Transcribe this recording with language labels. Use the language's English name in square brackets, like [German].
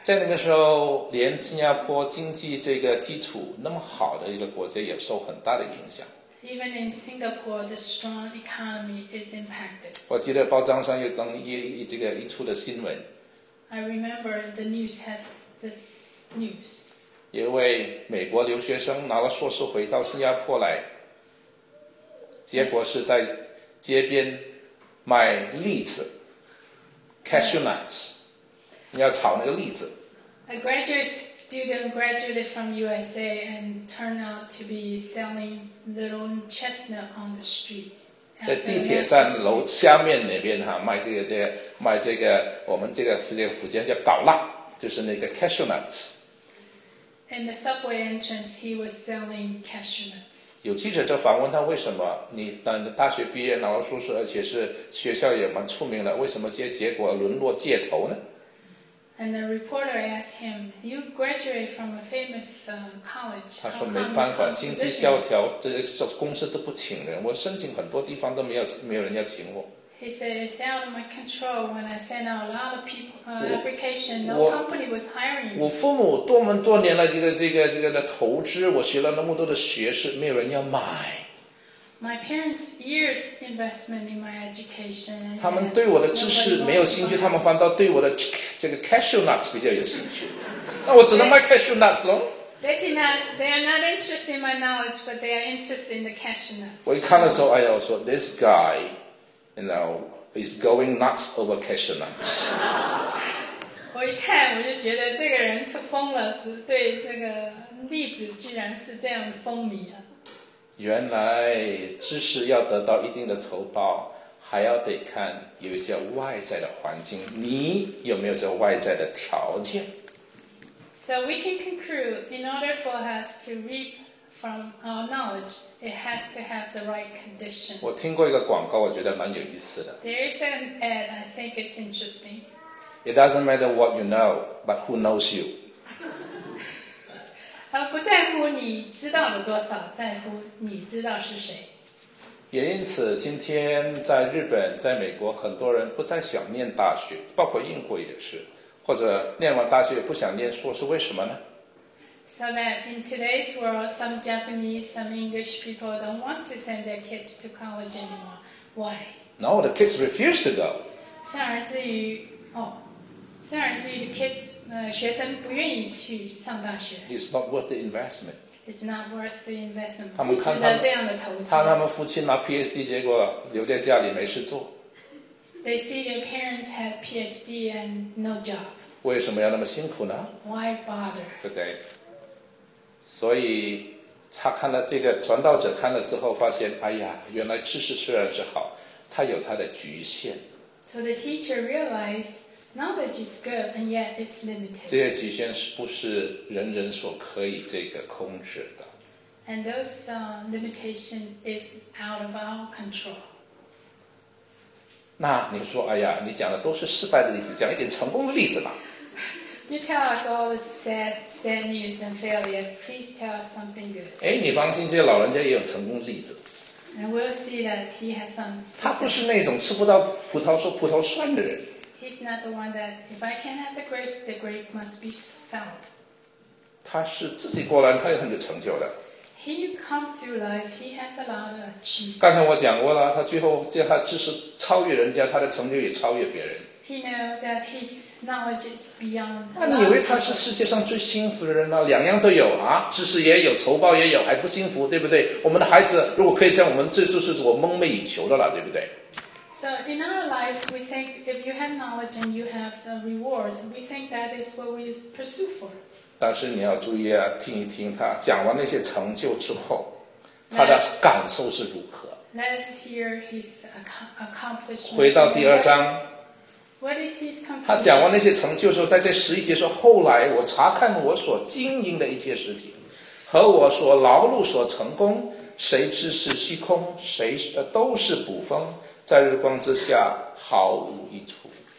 [Chinese] 在那个时候，连新加坡经济这个基础那么好的一个国家也受很大的影响。 [English] Even in Singapore, the strong economy is impacted. [Chinese] 我记得报章上有登一这个一出的新闻。 [English] I remember the news has this news. [Chinese] 有一位美国留学生拿了硕士回到新加坡来，结果是在街边卖栗子。 Cashew nuts, 你要炒那个栗子。 [English] A graduate student graduated from USA and turned out to be selling little chestnut on the street. [Chinese] 在地铁站楼下面那边哈，卖这个的，卖这个我们这个福建叫搞辣，就是那个 cashew nuts. [English] In the subway entrance, he was selling cashew nuts. [Chinese] 有记者就访问他，为什么你等大学毕业拿了硕士，而且是学校也蛮出名的，为什么这些结果沦落街头呢 [English] ？And the reporter asked him, "You graduate from a famous college." [Chinese] 他说没办法，经济萧条，这些公司都不请人，我申请很多地方都没有人要请我。 [English] He said, "It's out of my control when I send out a lot of people application. No company was hiring me." [Chinese] 我父母多么多年来这个的投资，我学了那么多的学士，没有人要买。 [English] My parents' years investment in my education. [Chinese] 他们对我的知识没有兴趣，他们反倒对我的这个 cashew nuts 比较有兴趣。那我只能卖 cashew nuts 喽。 [English] They are not interested in my knowledge, but they are interested in the cashew nuts. [Chinese] 我一看了之后，哎呀，我说 [English] this guy. You know, he's going nuts over cashew nuts. [Chinese] 我一看我就觉得这个人是疯了，只对这个栗子居然是这样风靡啊。原来知识要得到一定的酬报，还要得看有一些外在的环境，你有没有这外在的条件。 [English] So we can conclude, in order for us to reap from our knowledge, it has to have the right condition. [Chinese] 我听过一个广告，我觉得蛮有意思的。 [English] There is an ad, I think it's interesting. It doesn't matter what you know, but who knows you. [Chinese] 不在乎你知道了多少，在乎你知道是谁。也因此，今天在日本、在美国，很多人不太想念大学，包括英国也是。或者念完大学不想念书，是为什么呢？ [English] So that in today's world, some Japanese, some English people don't want to send their kids to college anymore. Why? No, the kids refuse to go. [Chinese] 甚而至于 [English] the kids, [Chinese] 学生不愿意去上大学。 [English] It's not worth the investment. It's not worth the investment. [Chinese] 不值得这样的投资。看他们父亲拿 PhD, 结果留在家里没事做。 [English] They see their parents have PhD and no job. [Chinese] 为什么要那么辛苦呢？ [English] Why bother? [Chinese] 对不对？所以他看了这个传道者看了之后发现，哎呀，原来知识虽然是好，它有它的局限。 [English] So the teacher realized knowledge is good and yet it's limited. [Chinese] 这些局限是不是人人所可以这个控制的？ [English] And those limitation is out of our control. [Chinese] 那你说，哎呀，你讲的都是失败的例子，讲一点成功的例子吧。 [English] You tell us all the sad news and failure. Please tell us something good. [Chinese] 哎，你放心，这些老人家也有成功的例子。 [English] And we'll see that he has some success. [Chinese] 他不是那种吃不到葡萄说葡萄酸的人。 [English] He's not the one that if I can't have the grape must be sour. [Chinese] 他是自己过来，他也很有成就的。 [English] He comes through life. He has a lot of achievement. [Chinese] 刚才我讲过了，他最后这他知识超越人家，他的成就也超越别人。 [English] He knows that his knowledge is beyond. [Chinese] 那你以为他是世界上最幸福的人吗？两样都有啊，知识也有，酬报也有，还不幸福，对不对？我们的孩子如果可以这样，我们这就是我梦寐以求的了，对不对 [English] ？So in our life, we think if you have knowledge and you have the rewards, we think that is what we pursue for. [Chinese] 但是你要注意啊，听一听他讲完那些成就之后，他的感受是如何。 [English] Let's hear his accomplishment. [Chinese] 回到第二章。 [English] What is his accomplishment? [Chinese] 他讲完那些成就之后，在这十一节说，后来我查看我所经营的一切事情，和我所劳碌所成功，谁知是虚空，谁都是捕风，在日光之下毫无益处。